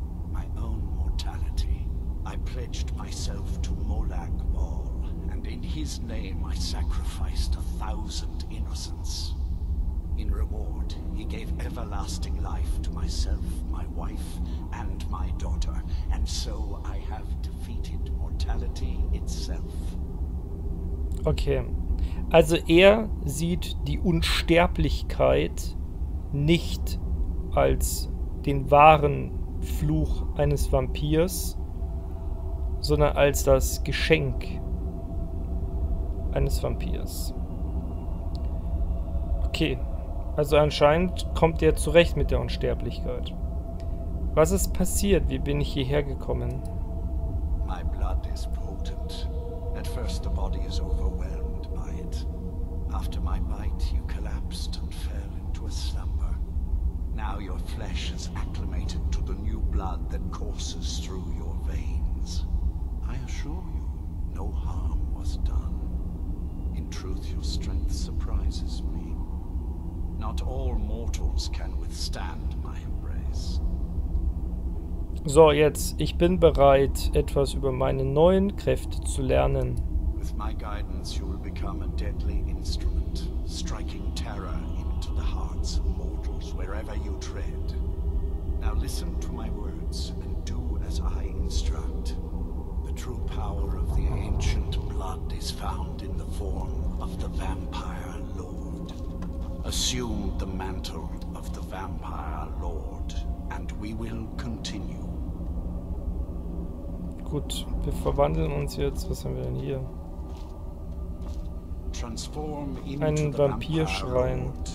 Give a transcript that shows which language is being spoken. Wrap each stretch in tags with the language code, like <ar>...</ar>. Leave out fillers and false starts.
<en>My own mortality. I pledged myself to Molag Bal, and in his name I sacrificed 1,000 innocents. In reward, he gave everlasting life to myself, my wife, and my daughter. And so I have defeated mortality itself. Okay.</en> <de>Also er sieht die Unsterblichkeit nicht als den wahren Fluch eines Vampirs, sondern als das Geschenk eines Vampirs. Okay. Also anscheinend kommt er zurecht mit der Unsterblichkeit. Was ist passiert? Wie bin ich hierher gekommen?</de> <en>My blood is potent. At first the body is overwhelmed by it. After my bite you collapsed and fell into a slumber. Now your flesh has acclimated to the new blood that courses through your veins. I assure you, no harm was done. In truth your strength surprises me. Not all mortals can withstand my embrace.</en> <de>So, jetzt, ich bin bereit, etwas über meine neuen Kräfte zu lernen.</de> <en>With my guidance you will become a deadly instrument, striking terror into the hearts of mortals wherever you tread. Now listen to my words and do as I instruct. The true power of the ancient blood is found in the form of the vampire. Assume the mantle of the Vampire Lord, and we will continue.</en> <de>Gut, wir verwandeln uns jetzt. Was haben wir denn hier? einen Vampirschrein.</de>